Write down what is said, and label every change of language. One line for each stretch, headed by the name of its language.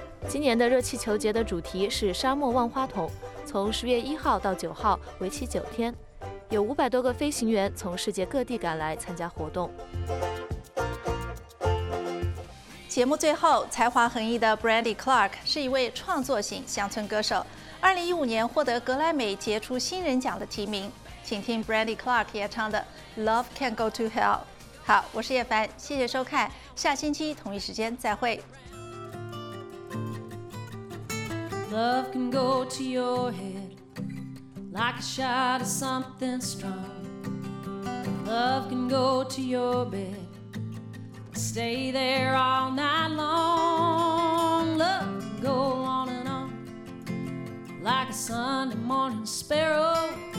Chinese: 今年的热气球节的主题是沙漠万花筒，从10月1号到9号，为期9天，有500多个飞行员从世界各地赶来参加活动。节目最后，才华横溢的 Brandi Clark 是一位创作型乡村歌手，2015年获得格莱美杰出新人奖的提名。请听 Brandi Clark 演唱的 Love Can Go To Hell。好，我是叶凡，谢谢收看，下星期同一时间再会。
English: Love can go to your head like a shot of something strong. Love can go to your bed, stay there all night long. Love can go on and on like a Sunday morning sparrow.